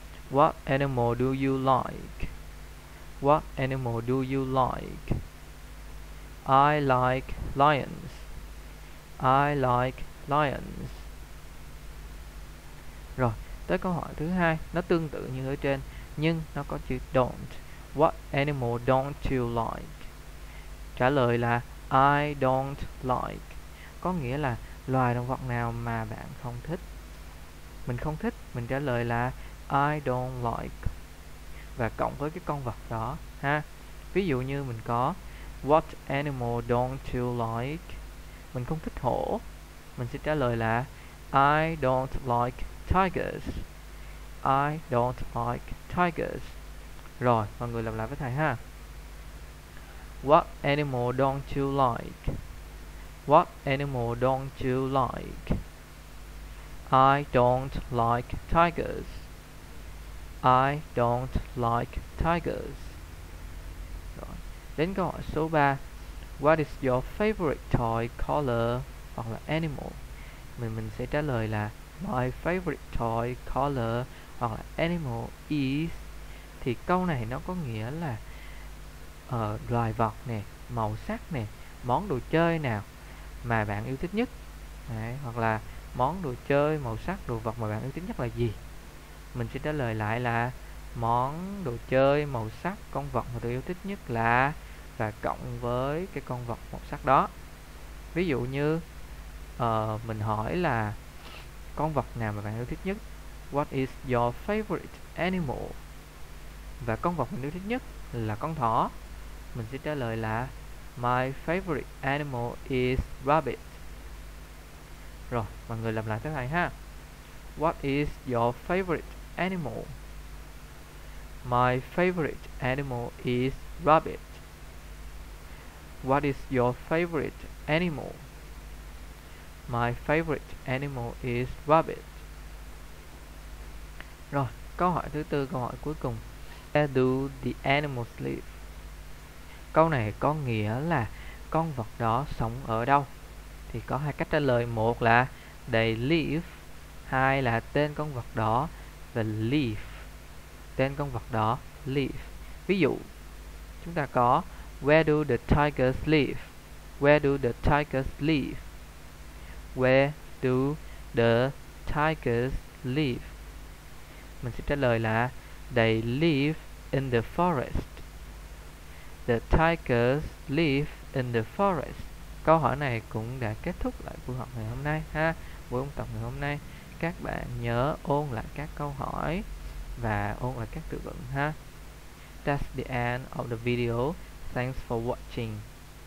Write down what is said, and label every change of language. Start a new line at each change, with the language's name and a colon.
English: What animal do you like? What animal do you like? I like lions. I like lions.
Vietnamese: Rồi, tới câu hỏi thứ hai, nó tương tự như ở trên. Nhưng nó có chữ don't.
English: What animal don't you like?
Vietnamese: Trả lời là
English: I don't like.
Vietnamese: Có nghĩa là loài động vật nào mà bạn không thích. Mình không thích, mình trả lời là
English: I don't like.
Vietnamese: Và cộng với cái con vật đó ha. Ví dụ như mình có
English: What animal don't you like?
Vietnamese: Mình không thích hổ. Mình sẽ trả lời là
English: I don't like tigers. I don't like tigers.
Vietnamese: Rồi, mọi người lặp lại với thầy ha.
English: What animal don't you like? What animal don't you like? I don't like tigers. I don't like tigers.
Vietnamese: Rồi, đến câu hỏi số 3.
English: What is your favorite toy, color
Vietnamese: hoặc là animal? Mình sẽ trả lời là
English: My favorite toy, color
Vietnamese: hoặc là animal is. Thì câu này nó có nghĩa là loài vật nè, màu sắc nè, món đồ chơi nào mà bạn yêu thích nhất. Đấy, hoặc là món đồ chơi, màu sắc, đồ vật mà bạn yêu thích nhất là gì. Mình sẽ trả lời lại là món đồ chơi, màu sắc, con vật mà tôi yêu thích nhất là, và cộng với cái con vật màu sắc đó. Ví dụ như mình hỏi là con vật nào mà bạn yêu thích nhất.
English: What is your favorite animal?
Vietnamese: Và con vật mình yêu thích nhất là con thỏ. Mình sẽ trả lời là
English: My favorite animal is rabbit.
Vietnamese: Rồi, mọi người làm lại thế này ha.
English: What is your favorite animal? My favorite animal is rabbit. What is your favorite animal? My favorite animal is rabbit.
Vietnamese: Rồi, câu hỏi thứ tư, câu hỏi cuối cùng.
English: Where do the animals live?
Vietnamese: Câu này có nghĩa là con vật đó sống ở đâu? Thì có hai cách trả lời. Một là
English: they live,
Vietnamese: hai là tên con vật đó, và leave, tên con vật đó, leave. Ví dụ, chúng ta có
English: Where do the tigers live? Where do the tigers live? Where do the tigers live?
Vietnamese: Mình sẽ trả lời là
English: They live in the forest. The tigers live in the forest.
Vietnamese: Câu hỏi này cũng đã kết thúc lại buổi học ngày hôm nay ha. Buổi ôn tập ngày hôm nay, các bạn nhớ ôn lại các câu hỏi và ôn lại các từ vựng ha.
English: That's the end of the video. Thanks for watching.